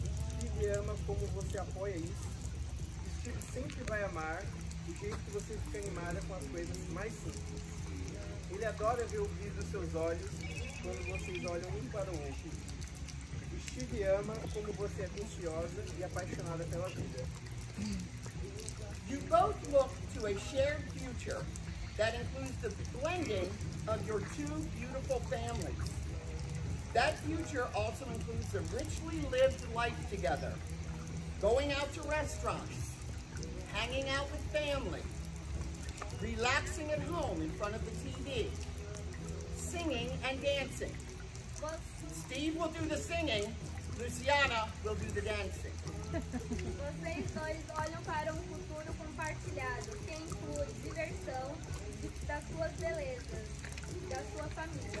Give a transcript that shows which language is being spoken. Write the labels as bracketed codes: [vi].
[pt] Steve ama como você apoia isso. Steve sempre vai amar o jeito que você fica animada com as coisas mais simples. Ele adora ver o brilho dos seus olhos quando vocês olham um para o outro. Steve ama como você é ansiosa e apaixonada pela vida. [en] You both look to a shared future that includes the blending of your two beautiful families. That future also includes a richly lived life together, going out to restaurants, hanging out with family, relaxing at home in front of the TV, singing and dancing. Steve will do the singing, Luciana will do the dancing. [pt] Vocês dois olham para futuro compartilhado, que inclui diversão das suas belezas, da sua família.